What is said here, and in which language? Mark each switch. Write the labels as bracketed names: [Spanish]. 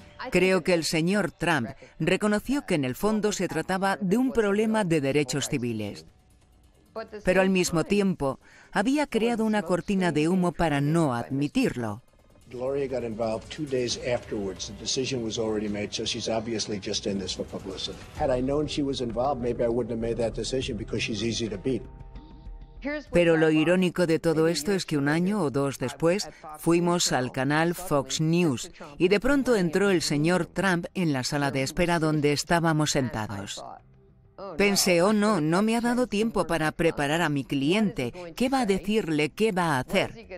[Spanish] Creo que el señor Trump reconoció que en el fondo se trataba de un problema de derechos civiles. Pero al mismo tiempo, había creado una cortina de humo para no admitirlo. [English] Gloria got involved 2 days afterwards. The decision was already made, so she's obviously just in this for publicity. Had I known she was involved, maybe I wouldn't have made that decision because she's easy to beat. [Spanish] Pero lo irónico de todo esto es que un año o dos después fuimos al canal Fox News y de pronto entró el señor Trump en la sala de espera donde estábamos sentados. Pensé, oh no, no me ha dado tiempo para preparar a mi cliente. ¿Qué va a decirle? ¿Qué va a hacer?